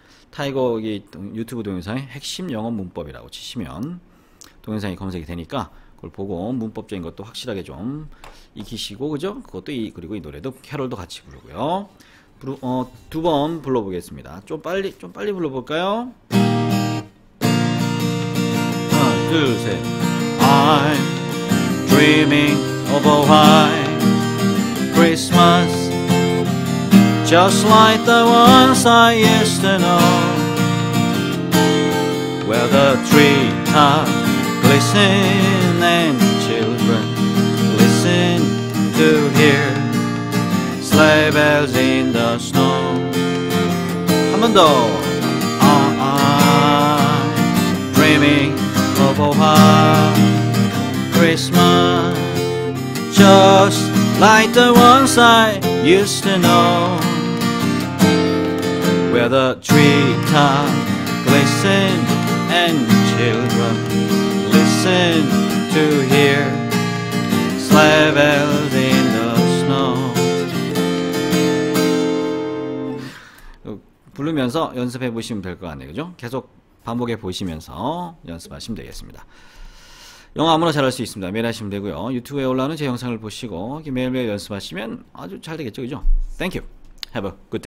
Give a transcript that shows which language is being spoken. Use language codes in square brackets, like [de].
[ko] 타이거기 유튜브 동영상에 핵심 영어 문법이라고 치시면 동영상이 검색이 되니까 그걸 보고 문법적인 것도 확실하게 좀 익히시고, 그죠? 그것도 그리고 이 노래도 캐롤도 같이 부르고요. 두번 불러 보겠습니다. 좀 빨리 좀 빨리 불러 볼까요? 하나 둘 셋. [en] I'm dreaming of a white Christmas just like the ones I used to know, where the tree top glistens and children listen to hear sleigh bells in the snow. [ko] 한 번 더. [en] I'm dreaming of a white Christmas just like the ones I used to know, where the treetop glisten and children listen to hear sleigh bells in the snow. [ko] 부르면서 연습해 보시면 될 것 같네요, 그죠? 계속 반복해 보시면서 연습하시면 되겠습니다. 영어 아무나 잘할 수 있습니다. 매일 하시면 되고요. 유튜브에 올라오는 제 영상을 보시고 매일매일 연습하시면 아주 잘 되겠죠, 그죠? [en] Thank you. Have a good day.